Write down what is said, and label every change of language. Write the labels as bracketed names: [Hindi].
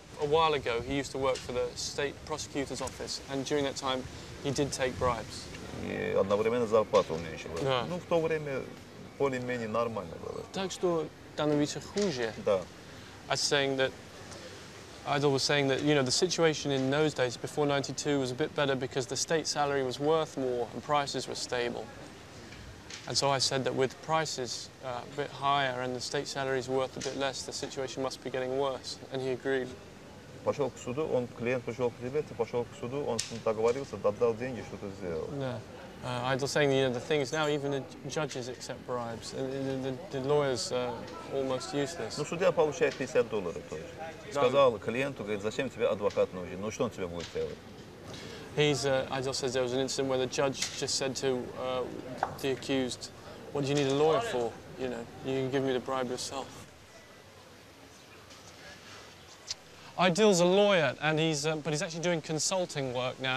[English] A while ago, he used to work for the state prosecutor's office, and during that time, he did take bribes. [Russian] И одновременно зарплату у меня еще была. Ну, в то время более-менее нормально было. Так что становится хуже. Да. [English] I'm saying that Idol was saying that, you know, the situation in those days before 92 was a bit better because the state salary was worth more and prices were stable. And so I said that with prices a bit higher and the state salary is worth a bit less, the situation must be getting worse. And he agreed. [Russian] Пошел к суду, он клиент пошел к тебе, ты пошел к суду, он с ним договорился, отдал деньги, что ты сделал? [English] Yeah. Idol saying, you know, the thing is now even the judges accept bribes. The lawyers are almost useless. [Russian] Ну, судья получает $50 тоже. Сказал клиенту, говорит, зачем тебе адвокат нужен? Ну, что он тебе будет делать? [English] Idol says there was an incident where the judge just said to the accused, what do you need a lawyer for? You know, you can give me the bribe yourself. Ideal's a lawyer, and he's actually doing consulting work now.